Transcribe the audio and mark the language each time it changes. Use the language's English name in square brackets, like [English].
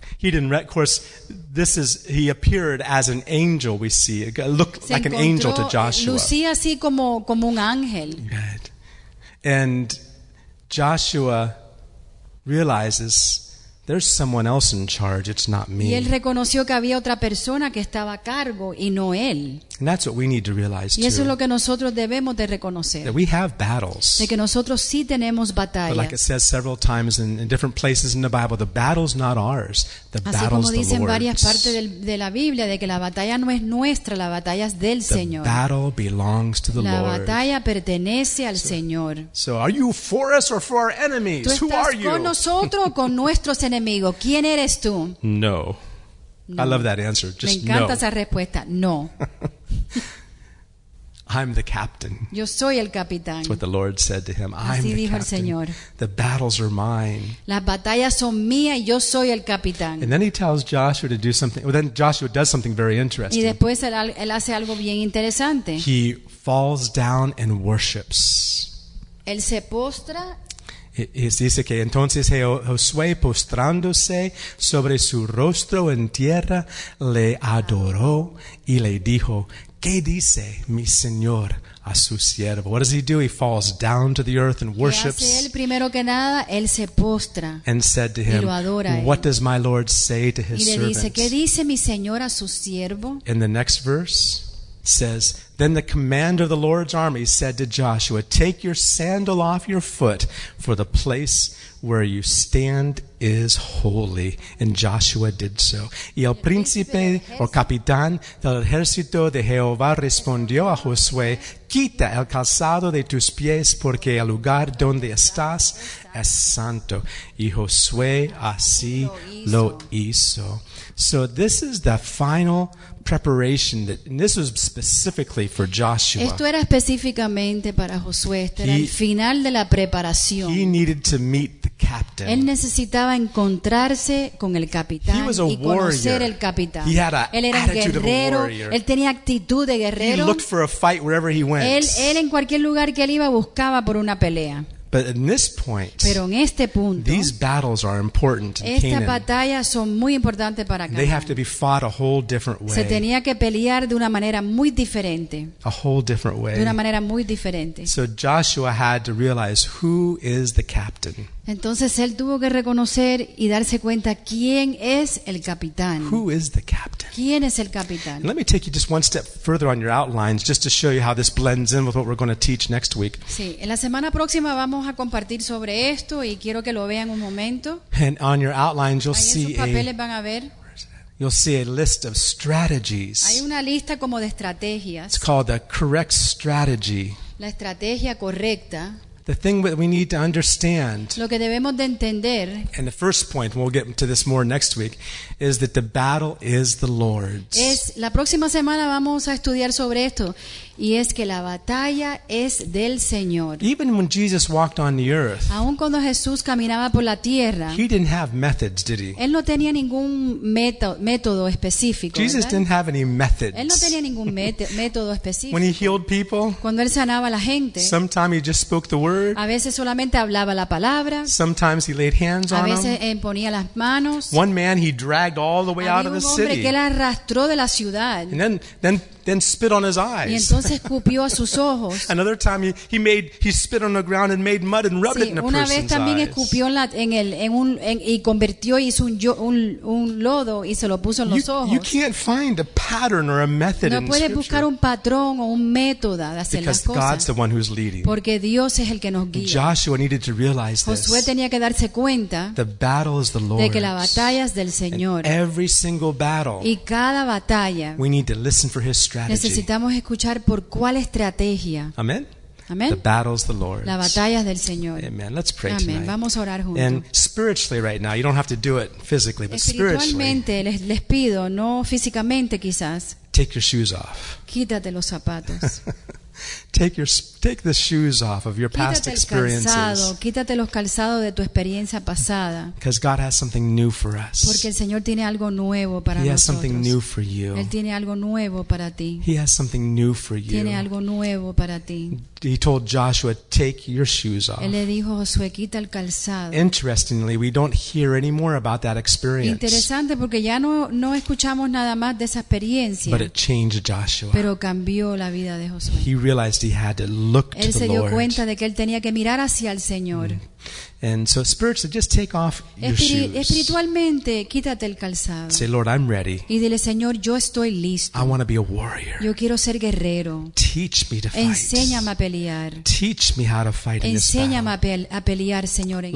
[English] He didn't read, of course, this is, he appeared as an angel, we see. It looked like an angel to Joshua. [Spanish] Lucía así como un ángel. [English] Right. And Joshua realizes there's someone else in charge, it's not me. [Spanish] Y él reconoció que había otra persona que estaba a cargo y no él. [English] And that's what we need to realize too. [Spanish] Y eso es lo que nosotros debemos de reconocer. [English] That we have battles. [Spanish] De que nosotros sí tenemos batallas. [English] But like it says several times in different places in the Bible, the battle's not ours. The [Spanish] Así [English] battle's [Spanish] como dicen [English] the Lord's. [Spanish] Varias partes de la Biblia, de que la batalla no es nuestra, la batalla es del [English] the [Spanish] Señor. [English] Battle belongs to the [Spanish] la [English] Lord. [Spanish] Batalla pertenece al Señor. [English] So are you for us or for our enemies? [Spanish] ¿Tú estás [English] Who are [Spanish] con [English] you? [Spanish] Nosotros o con nuestros enemigos? ¿Quién eres tú? [English] No. I love that answer. Just [Spanish] me encanta [English] no. [Spanish] Esa respuesta. No. [English] I'm the captain. [Spanish] Yo soy el capitán. [English] That's what the Lord said to him. [Spanish] Así [English] I'm the [Spanish] dijo [English] captain. [Spanish] El Señor. [English] The battles are mine. [Spanish] Las batallas son mías y yo soy el capitán. [English] And then he tells Joshua to do something. Well, then Joshua does something very interesting. [Spanish] Y después él hace algo bien interesante. [English] He falls down and worships. [Spanish] Él se postra Y dice que entonces Josué, postrándose sobre su rostro en tierra, le adoró y le dijo, ¿qué dice mi Señor a su siervo? [English] What does he do? He falls down to the earth and worships. [Spanish] ¿Qué hace él primero que nada? Él se postra. [English] And said to him, what does my Lord say to his servant? [Spanish] Y le dice, ¿qué dice mi Señor a su siervo? [English] In the next verse, says, then the commander of the Lord's army said to Joshua, take your sandal off your foot, for the place where you stand is holy. And Joshua did so. [Spanish] Y el príncipe o capitán del ejército de Jehová respondió a Josué, quita el calzado de tus pies, porque el lugar donde estás es santo. Y Josué así lo hizo. [English] So this is the final preparation that, and this was specifically for Joshua. [Spanish] Esto era específicamente para Josué. Este era el final de la preparación. [English] He needed to meet the captain. [Spanish] Él necesitaba encontrarse con el capitán y conocer el capitán. [English] He had an attitude of a warrior. [Spanish] Él tenía actitud de guerrero. [English] He looked for a fight wherever he went. [Spanish] Él en cualquier lugar que él iba buscaba por una pelea. [English] But in this point, [Spanish] pero en este punto, [English] these battles are important in [Spanish] esta [English] Canaan. [Spanish] Batalla son muy importantes para Canaan. [English] They have to be fought a whole different way. [Spanish] Se tenía que pelear de una manera muy diferente. [English] A whole different way. [Spanish] De una manera muy diferente. [English] So Joshua had to realize who is the captain. [Spanish] Entonces él tuvo que reconocer y darse cuenta quién es el capitán. [English] Who is the captain? [Spanish] ¿Quién es el capitán? [English] Let me take you just one step further on your outlines, just to show you how this blends in with what we're going to teach next week. [Spanish] Sí, en la semana próxima vamos a compartir sobre esto y quiero que lo vean un momento. [English] And on your outlines, you'll see [Spanish] ahí en sus papeles van a ver. [English] You'll see a list of strategies. [Spanish] Hay una lista como de estrategias. [English] It's called the correct strategy. [Spanish] La estrategia correcta. [English] The thing that we need to understand, [Spanish] lo que debemos de entender, [English] and the first point, and we'll get to this more next week, is that the battle is the Lord's. [Spanish] Es, la próxima semana vamos a estudiar sobre esto, y es que la batalla es del Señor. [English] Even when Jesus walked on the earth, [Spanish] aun cuando Jesús caminaba por la tierra, [English] he didn't have methods, did he? [Spanish] Él no tenía ningún método específico. [English] Jesus, [Spanish] ¿verdad? [English] Didn't have any methods. [Spanish] Él no tenía ningún método específico. [English] When he healed people, [Spanish] cuando él sanaba a la gente, [English] sometimes he just spoke the word. [Spanish] A veces solamente hablaba la palabra. [English] Sometimes he laid hands on them. [Spanish] A veces imponía las manos. [English] One man he dragged all the way out of the city. [Spanish] Había un hombre que él arrastró de la ciudad. [English] And then spit on his eyes. [Spanish] Y entonces escupió a sus ojos. [English] Another time he spit on the ground and made mud and rubbed [Spanish] sí, [English] it in a [Spanish] una [English] person's [Spanish] vez también [English] eyes. [Spanish] Escupió en la, en el, en un, en, y convirtió y hizo un lodo y se lo puso en los [English] you, [Spanish] ojos. [English] You can't find a pattern or a method [Spanish] no [English] in scripture. [Spanish] No puedes buscar un patrón o un método de hacer [English] because [Spanish] las cosas. [English] God's the one who's leading. [Spanish] Porque Dios es el que nos guía. [English] Joshua needed to realize this. [Spanish] Josué tenía que darse cuenta [English] the battle is the Lord's. [Spanish] De que la batalla es del Señor. [English] And every single battle. [Spanish] Y cada batalla. [English] We need to listen for his strategy. [Spanish] Necesitamos escuchar por cuál estrategia. [English] Amen. [Spanish] Amen. [English] The battle's the Lord's. [Spanish] La batalla es del Señor. [English] Amen. Let's pray [Spanish] Amen. [English] Tonight. [Spanish] Vamos a orar juntos. [English] And spiritually right now, you don't have to do it physically, but spiritually. [Spanish] Espiritualmente les pido, no físicamente quizás. [English] Take your shoes off. [Spanish] Quítate los zapatos. [English] Take the shoes off of your past experiences. [Spanish] Quítate los calzados de tu experiencia pasada. [English] Because God has something new for us. [Spanish] Porque el Señor tiene algo nuevo para nosotros. [English] He has something new for you. [Spanish] Él tiene algo nuevo para ti. [English] He has something new for you. [Spanish] Tiene algo nuevo para ti. [English] He told Joshua, "Take your shoes off." [Spanish] Él le dijo a Josué, quita el calzado. [English] Interestingly, we don't hear any more about that experience. [Spanish] Interesante porque ya no escuchamos nada más de esa experiencia. [English] But it changed Joshua. [Spanish] Pero cambió la vida de Josué. [English] He realized he had to look to the Lord. [Spanish] Él se dio cuenta de que él tenía que mirar hacia el Señor. [English] And so spiritually, just take off your shoes. [Spanish] Espiritualmente, quítate el calzado. [English] Say, Lord, I'm ready. [Spanish] Y dile, Señor, yo estoy listo. [English] I want to be a warrior. [Spanish] Yo quiero ser guerrero. [English] Teach me to fight. [Spanish] Enséñame a pelear. [English] Teach me how to fight [Spanish] Enséñame [English] in this battle. [Spanish] Enséñame a pelear, Señor, en